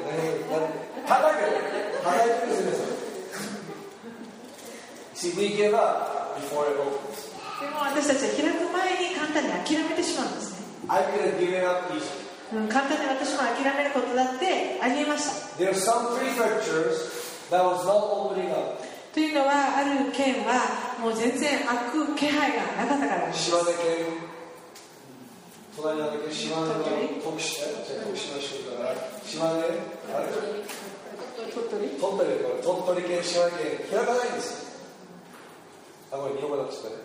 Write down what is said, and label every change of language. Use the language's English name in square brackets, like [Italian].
[Japanese] 叩いてるんですよ。 [English] See, we give up before it opens. [Japanese] でも私たちは開く前に簡単に諦めてしまうんですね。 [English] I could have given up easy. [Japanese] 簡単に私も諦めることだってありえました。 [English] There are some prefectures that was not opening up. [Japanese] というのはある県はもう全然開く気配がなかったからです。島根県、隣の島根の島根県島根県開かないんです。あ、これ日本語だったね。